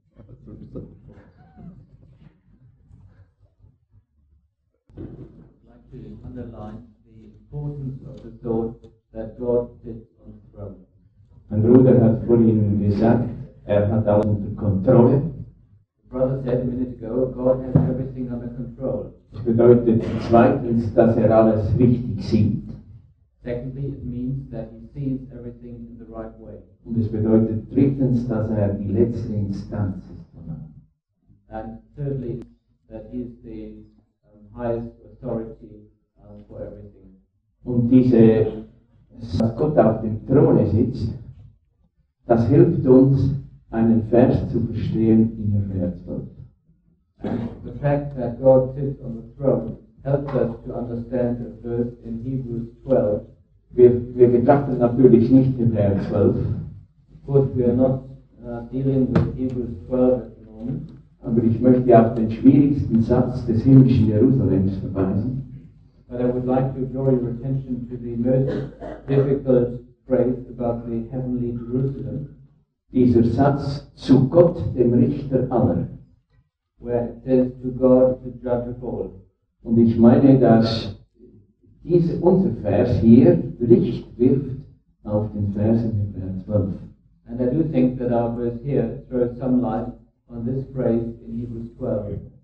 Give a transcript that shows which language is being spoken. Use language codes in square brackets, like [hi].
[en] I'd like to underline the importance of the thought that God sits on the throne. And Ruder has put in this act, er hat allen to control it. Brother said a minute ago, God has everything under control. [de] Das bedeutet zweitens, dass er alles richtig sieht. [en] Secondly, it means that he sees everything in the right way. [de] Und es bedeutet drittens, dass er die letzte Instanz ist. [en] And thirdly, that he is the highest authority for everything. [de] Und diese, dass Gott auf dem Throne sitzt, das hilft uns, einen Vers zu verstehen in der Wertwort. [en] The fact that God sits on the throne helps us to understand a verse in Hebrews 12. [de] Wir betrachten natürlich nicht den Vers 12. [en] Of course we are not dealing with Hebrews 12 at the moment. [de] Aber ich möchte auf den schwierigsten Satz des himmlischen Jerusalems verweisen. [en] But I would like to draw your attention to the most difficult phrase about the heavenly Jerusalem. [de] Dieser Satz, zu Gott, dem Richter aller. [en] Where it says, to God, the judge of all. [de] Und ich meine, dass unser Vers hier Licht wirft auf den Vers in Hebräer 12. [en] And I do think that our verse here throws some light on this phrase in Hebrews 12.